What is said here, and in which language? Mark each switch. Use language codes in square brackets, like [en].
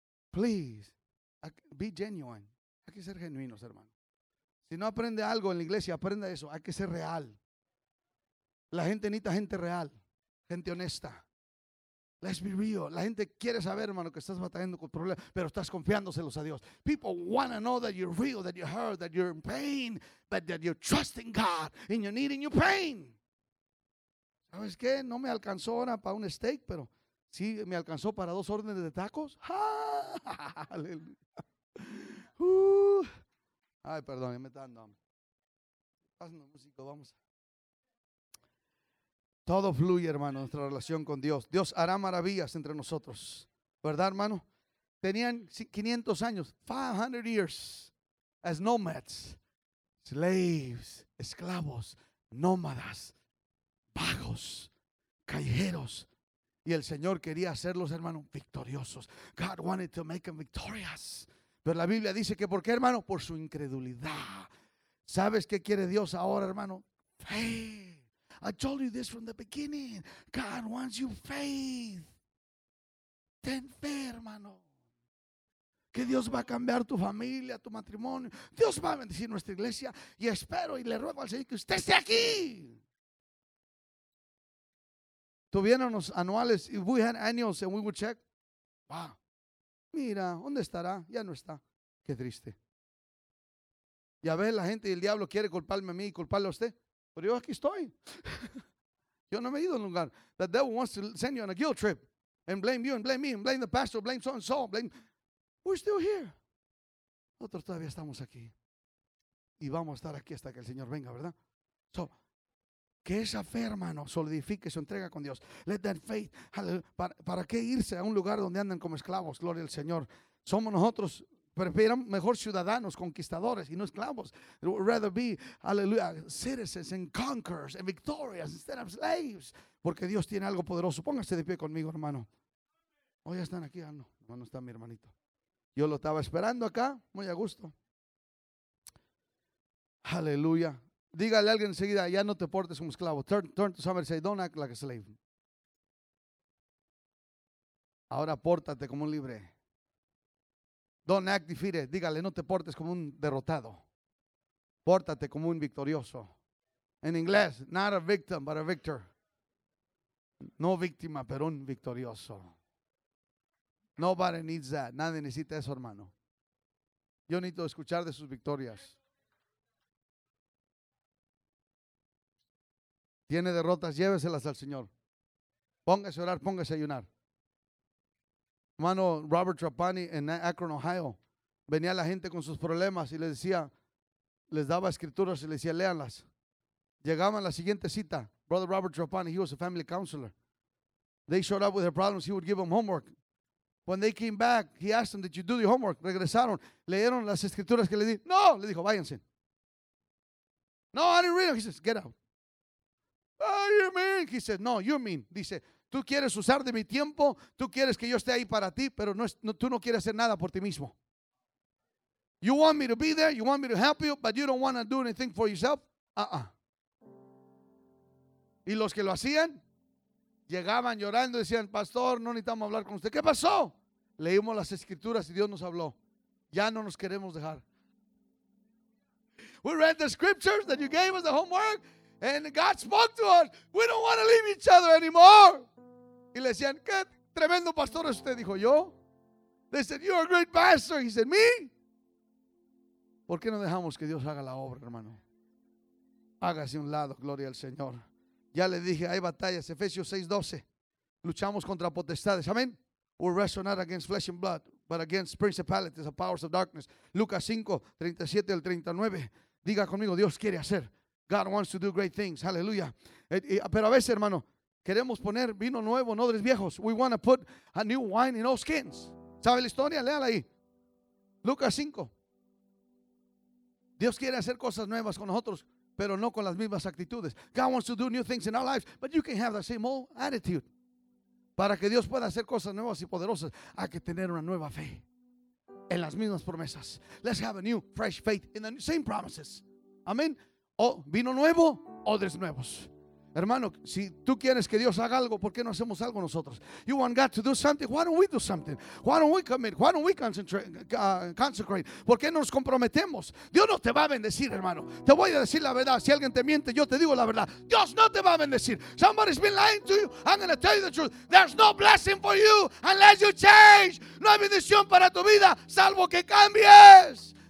[en] Please. Be genuine. [es] Hay que ser genuinos, hermano. Si no aprende algo en la iglesia, aprenda eso. Hay que ser real. La gente necesita gente real. Gente honesta. [en] Let's be real. [es] La gente quiere saber, hermano, que estás batallando con problemas, pero estás confiándoselos a Dios. [en] People want to know that you're real, that you're hurt, that you're in pain, but that you're trusting God in your need and your pain. [es] ¿Sabes qué? No me alcanzó ahora para un steak, pero sí me alcanzó para dos órdenes de tacos. ¡Aleluya! Ay, perdón, me está dando hambre. Pásenos, músico, vamos. Todo fluye, hermano, nuestra relación con Dios. Dios hará maravillas entre nosotros. ¿Verdad, hermano? Tenían 500 años, [en] 500 years, as nomads, slaves, [es] esclavos, nómadas, vagos, callejeros. Y el Señor quería hacerlos, hermano, victoriosos. [en] God wanted to make them victorious. [es] Pero la Biblia dice que, ¿por qué, hermano? Por su incredulidad. ¿Sabes qué quiere Dios ahora, hermano? [en] Faith. I told you this from the beginning. God wants you faith. [es] Ten fe, hermano. Que Dios va a cambiar tu familia, tu matrimonio. Dios va a bendecir nuestra iglesia. Y espero y le ruego al Señor que usted esté aquí. Tuvieron los anuales. [en] If we had annuals and we would check. [es] Wow. Mira, ¿dónde estará? Ya no está. Qué triste. Y a veces la gente y el diablo quiere culparme a mí y culparle a usted. Pero yo aquí estoy. Yo no me he ido a un lugar. [en] The devil wants to send you on a guilt trip. And blame you and blame me and blame the pastor. Blame so and so. Blame. We're still here. [es] Nosotros todavía estamos aquí. Y vamos a estar aquí hasta que el Señor venga, ¿verdad? So, que esa fe, hermano, solidifique su entrega con Dios. [en] Let that faith. [es] ¿Para qué irse a un lugar donde andan como esclavos? Gloria al Señor. Somos nosotros, prefieren mejor ciudadanos, conquistadores y no esclavos. [en] We'd rather be, hallelujah, citizens and conquerors and victorious instead of slaves. [es] Porque Dios tiene algo poderoso. Póngase de pie conmigo, hermano. Hoy ya están aquí. Ah, no, no está mi hermanito. Yo lo estaba esperando acá, muy a gusto. Aleluya. Dígale a alguien enseguida, ya no te portes como esclavo. [en] Turn to somebody and say, don't act like a slave. [es] Ahora pórtate como un libre. [en] Don't act defeated. [es] Dígale, no te portes como un derrotado. Pórtate como un victorioso. En inglés, [en] not a victim, but a victor. [es] No víctima, pero un victorioso. [en] Nobody needs that. [es] Nadie necesita eso, hermano. Yo necesito escuchar de sus victorias. Tiene derrotas, lléveselas al Señor. Póngase a orar, póngase a ayunar. Hermano Robert Trapani en Akron, Ohio, venía la gente con sus problemas y les decía, les daba escrituras y les decía, léanlas. Llegaban a la siguiente cita. [en] Brother Robert Trapani, he was a family counselor. They showed up with their problems, he would give them homework. When they came back, he asked them, did you do the homework? [es] Regresaron, leyeron las escrituras que le di. No, le dijo, váyanse. [en] No, I didn't read it. He says, get out. What do you mean? He says, no, you mean. [es] Dice, tú quieres usar de mi tiempo, tú quieres que yo esté ahí para ti, pero tú no quieres hacer nada por ti mismo. [en] You want me to be there, you want me to help you, but you don't want to do anything for yourself. [es] Y los que lo hacían, llegaban llorando y decían, pastor, no necesitamos hablar con usted. ¿Qué pasó? Leímos las escrituras y Dios nos habló. Ya no nos queremos dejar. [en] We read the scriptures that you gave us, the homework, and God spoke to us. We don't want to leave each other anymore. [es] Y le decían, qué tremendo pastor es usted, dijo yo. [en] They said, you're a great pastor. He said, me? [es] ¿Por qué no dejamos que Dios haga la obra, hermano? Hágase un lado, gloria al Señor. Ya le dije, hay batallas, Efesios 6:12. Luchamos contra potestades, amén. [en] We wrestle not against flesh and blood, but against principalities and powers of darkness. [es] Lucas 5:37 al 39. Diga conmigo, Dios quiere hacer. [en] God wants to do great things, aleluya. [es] Pero a veces, hermano, queremos poner vino nuevo en odres viejos. [en] We want to put a new wine in old skins. [es] ¿Sabe la historia? Léala ahí. Lucas 5. Dios quiere hacer cosas nuevas con nosotros, pero no con las mismas actitudes. [en] God wants to do new things in our lives, but you can have the same old attitude. [es] Para que Dios pueda hacer cosas nuevas y poderosas, hay que tener una nueva fe en las mismas promesas. [en] Let's have a new, fresh faith in the same promises. [es] Amén. O vino nuevo, odres nuevos. Hermano, si tú quieres que Dios haga algo, ¿por qué no hacemos algo nosotros? [en] You want God to do something, why don't we do something? Why don't we commit? Why don't we consecrate? [es] ¿Por qué no nos comprometemos? Dios no te va a bendecir, hermano. Te voy a decir la verdad. Si alguien te miente, yo te digo la verdad. Dios no te va a bendecir. [en] Somebody's been lying to you. I'm going to tell you the truth. There's no blessing for you unless you change. [es] No hay bendición para tu vida, salvo que cambies.